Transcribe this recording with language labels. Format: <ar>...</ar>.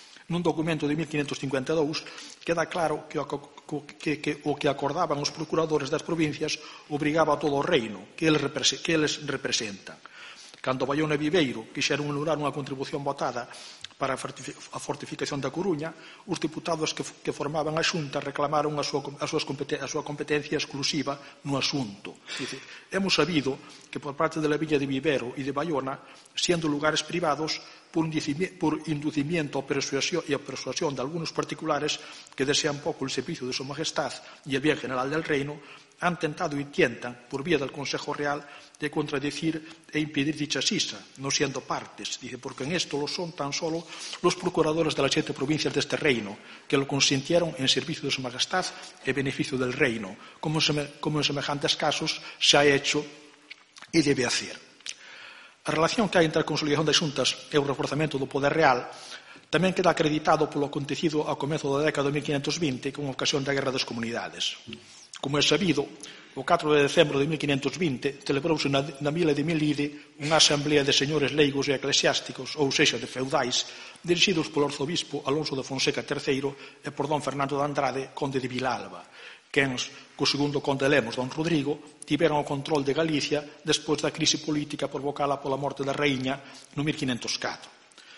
<gl>Nun documento de 1552 queda claro que o que acordaban os procuradores das provincias obrigaba a todo o reino que eles representan. Cando Bayona e Viveiro quixeron anular unha contribución votada para a fortificación da Coruña, os diputados que formaban a Xunta reclamaron a súa competencia exclusiva no asunto.</gl> <es>Dice, hemos sabido que por parte da Villa de Viveiro e de Bayona, sendo lugares privados, por inducimiento e a persuasión de algunos particulares que desean pouco o servicio de Su Majestad e el bien general del reino, han tentado e tientan, por vía del Consejo Real, de contradicir e impedir dicha sisa, no siendo partes, dice, porque en esto lo son tan solo los procuradores de las 7 provincias de este reino, que lo consintieron en servicio de Su Majestad y beneficio del reino, como en semejantes casos se ha hecho y debe hacer.</es> <gl>A relación que hai entre a consolidación das xuntas e o reforzamento do poder real tamén queda acreditado polo acontecido ao comezo da década de 1520 con ocasión da Guerra das Comunidades. Como é sabido, o 4 de decembro de 1520 celebrouse na vila de Melide unha asamblea de señores leigos e eclesiásticos, ou seja, de feudais, dirixidos polo arzobispo Alonso de Fonseca III e por don Fernando de Andrade, conde de Vilalba, quens, co segundo conde Lemos, don Rodrigo, tiveron o control de Galicia despois da crise política provocada pola morte da rainha no 1504.</gl>